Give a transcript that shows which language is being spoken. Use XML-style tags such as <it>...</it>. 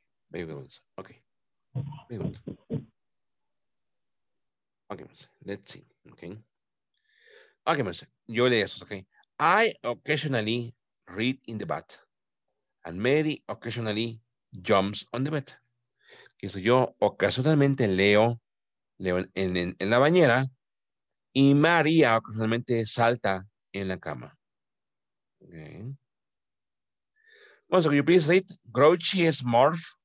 <en>Very good, Melissa. Okay. Very good. Okay, Melissa. Let's see. Okay. Okay, Melissa.</en> <es>Yo leí eso,</es> <en>okay. I occasionally read in the bath, and Mary occasionally jumps on the bed.</en> <es>Que soy yo ocasionalmente leo en la bañera, y María ocasionalmente salta en la cama.</es> <en>Okay. Bueno, so can you please read Grouchy Smurf?</en>